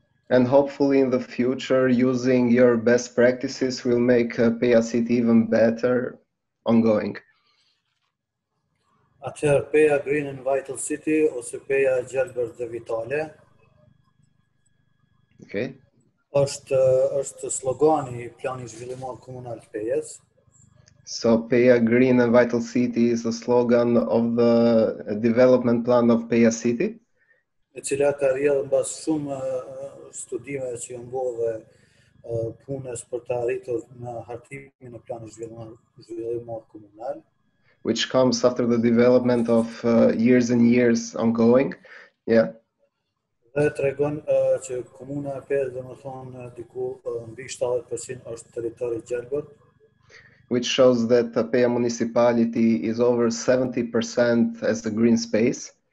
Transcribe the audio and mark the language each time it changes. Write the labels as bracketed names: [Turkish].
[English] And hopefully in the future, using your best practices will make PACID even better ongoing. [Albanian] Atëherë, PEJ-a [English] Green and Vital City, [Albanian] ose PEJ-a Gjelbër dhe Vitale. [English] Okay. [Albanian] Është slogani I planit zhvillimor komunal të PEJ-s. [English] So PEJ-a Green and Vital City is a slogan of the development plan of PEJ-a City. [Albanian] E cila ka rrjedhë mbas shumë studime që janë bërë dhe punës për të arritur në hartimin e planit zhvillimor komunal. [English] Which comes after the development of years and years ongoing. Yeah. [Albanian] Dhe tregon që komuna e PEJ-s domethënë diku mbi 70% është territori gjelbër. [English] Which shows that the PEJ-a municipality is over 70% as a green space.